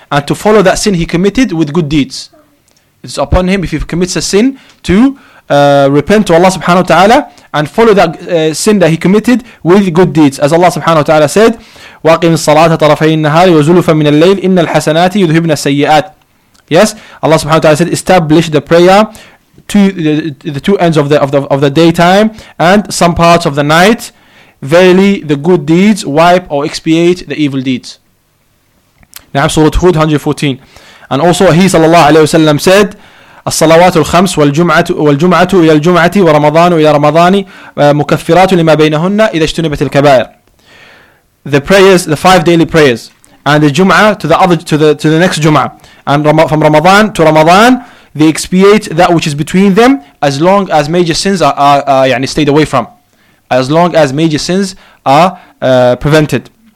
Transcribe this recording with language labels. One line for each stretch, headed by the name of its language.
English: And to follow that sin he committed with good deeds. It's upon him, if he commits a sin, to repent to Allah subhanahu wa ta'ala and follow that sin that he committed with good deeds. As Allah subhanahu wa ta'ala said,
Arabic: وَاقِمِ الصَّلَاةَ طَرَفَيِ النَّهَارِ وَزُلُفَ مِنَ اللَّيْلِ إِنَّ الْحَسَنَاتِ يُذْهِبْنَ السَّيِّئَاتِ.
English: Yes, Allah subhanahu wa ta'ala said, establish the prayer to the two ends of the daytime and some parts of the night. Verily, the good deeds wipe or expiate the evil deeds. Na'am, Surah Hud 114. And also, he sallallahu alayhi wa sallam said,
Arabic: الصلوات الخمس والجمعة إلى الجمعة ورمضان إلى رمضان مكفرات لما بينهن إذا اجتنبت الكبائر.
English: The prayers, the five daily prayers, and the Jum'ah to the next Jum'ah, and from Ramadan to Ramadan, they expiate that which is between them as long as major sins are stayed away from. as long as major sins are prevented.